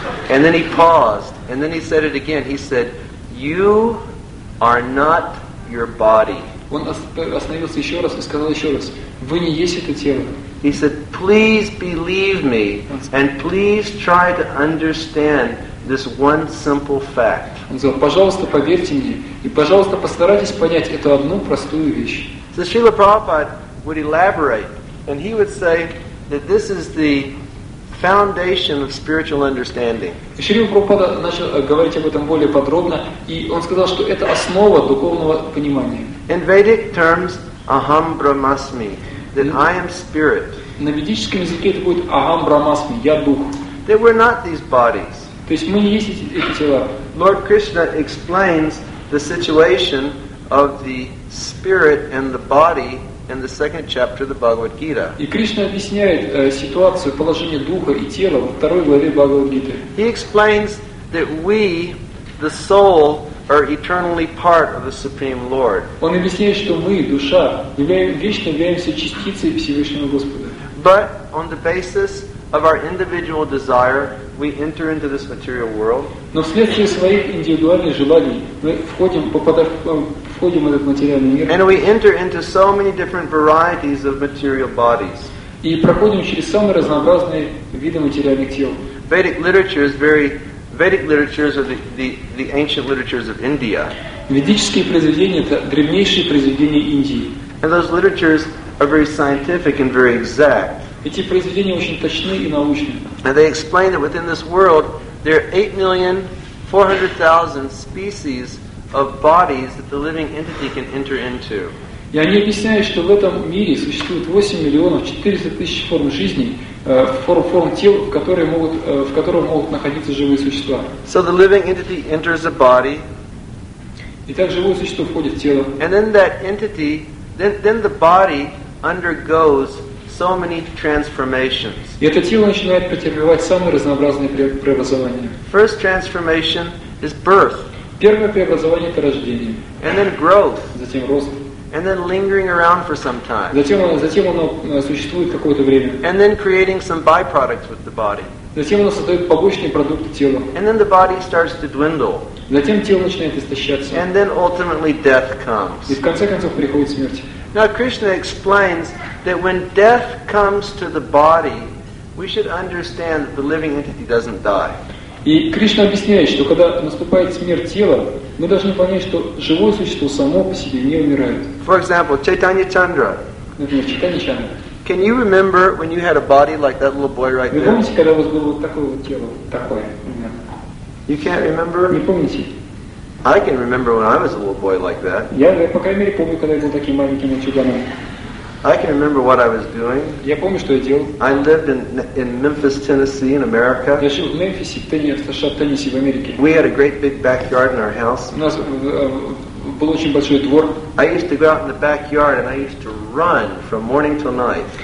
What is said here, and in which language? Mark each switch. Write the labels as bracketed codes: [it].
[en] And then he paused, and then he said it again. He said, "You are not your body." [ru] Он остановился ещё раз и сказал ещё раз, "Вы не есть это тело." [en] He said, "Please believe me, and please try to understand this one simple fact." [ru] Он сказал, пожалуйста, поверьте мне, и пожалуйста, постарайтесь понять эту одну простую вещь. [en] So Srila Prabhupada would elaborate, and he would say that this is the foundation of spiritual understanding. [ru] Шрила Прабхупада начал говорить об этом более подробно, и он сказал, что это основа духовного понимания. [en] In Vedic terms, [sa] aham brahmasmi. [en] That I am spirit. [ru] На ведическом языке это будет [sa] Агам Брамасми, [ru] я дух. [en] That we're not these bodies. [ru] То есть мы не есть эти тела. [en] Lord Krishna explains the situation of the spirit and the body in the second chapter of the Bhagavad Gita. [ru] И Кришна объясняет ситуацию положения духа и тела во второй главе Бхагавад Гиты. [en] He explains that we, the soul, are eternally part of the Supreme Lord. [ru] Он объясняет, что мы, душа, вечно являемся частицей Всевышнего Господа. [en] But on the basis of our individual desire, we enter into this material world. [ru] Но вследствие своих индивидуальных желаний мы входим в этот материальный мир. [en] And we enter into so many different varieties of material bodies. [ru] И проходим через самые разнообразные виды материальных тел. [en] Vedic literature is Vedic literatures are the ancient literatures of India. [ru] Ведические произведения — это древнейшие произведения Индии. [en] And those literatures are very scientific and very exact. [ru] Эти произведения очень точны и научны. [en] And they explain that within this world there are 8,400,000 species of bodies that the living entity can enter into. [ru] И они объясняют, что в этом мире существует 8,400,000 форм жизни. В которых могут находиться живые существа. [en] So the living entity enters a body. [ru] И так живое существо входит в тело. [en] And then that entity, then the body undergoes so many transformations. [ru] И это тело начинает претерпевать самые разнообразные преобразования. [en] First transformation is birth. [ru] Первое преобразование — это рождение. [en] And then growth. [ru] Затем рост. [en] And then lingering around for some time. [ru] Затем оно существует какое-то время. [en] And then creating some byproducts with the body. [ru] Затем оно создает побочные продукты тела. [en] And then the body starts to dwindle. [ru] Затем тело начинает истощаться. [en] And then ultimately death comes. [ru] И в конце концов приходит смерть. [en] Now Krishna explains that when death comes to the body, we should understand that the living entity doesn't die. [ru] И Кришна объясняет, что когда наступает смерть тела, мы должны понять, что живое существо само по себе не умирает. [en] For example, Chaitanya Chandra. [ru] Например, Чайтанья Чандра. [en] Can you remember when you had a body like that little boy right there? [ru] Вы помните, когда у вас было вот такое вот тело? Такое. [en] You can't remember? [ru] Не помните? [en] I can remember when I was a little boy like that. [ru] Я по крайней мере, помню, когда я был таким маленьким мальчуганом. [en] I can remember what I was doing. [ru] Я помню, что я делал. [en] I lived in Memphis, Tennessee, in America. [ru] Я жил в Мемфисе, в Теннесси, в Америке. [en] We had a great big backyard in our house. [ru] У нас был очень большой двор. [en] I used to go out in the backyard and I used to run from morning till night.